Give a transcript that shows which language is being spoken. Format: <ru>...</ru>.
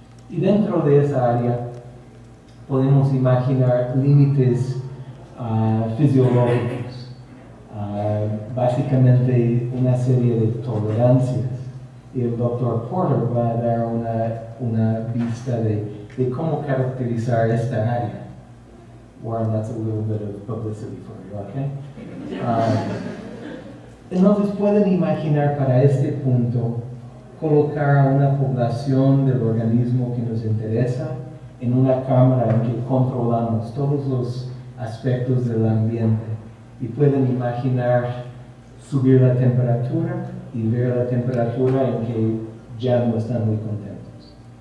<es>Y dentro de esa área podemos imaginar límites fisiológicos, básicamente una serie de tolerancias. Y el doctor Porter va a dar una vista de cómo caracterizar esta área.</es> <en>Warren, that's a little bit of publicity for you, okay?</en> <es>Entonces, pueden imaginar para este punto colocar a una población del organismo que nos interesa en una cámara en que controlamos todos los aspectos del ambiente. Y pueden imaginar subir la temperatura y ver la temperatura en que ya no están muy contentos.</es>